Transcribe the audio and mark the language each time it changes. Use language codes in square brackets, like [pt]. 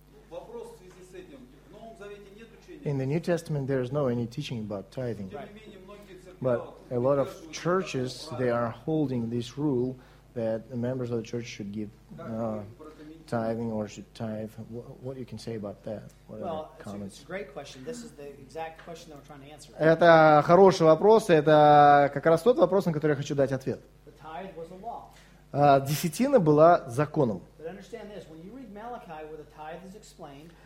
[ru] Вопрос в связи с этим. В Новом Завете нет учения [en] in the New Testament there is no any teaching about tithing. But a lot of churches, they are holding this rule that the members of the church should give tithing or should tithe. What you can say about that? What well, are comments? It's a great question. This is the exact question that we're trying to answer. [ru] Это хороший вопрос. Это как раз тот вопрос, на который я хочу дать ответ. [en] The tithe was a law. [ru] Десятина была законом. [en] But understand this. When you read Malachi, where the tithe is explained,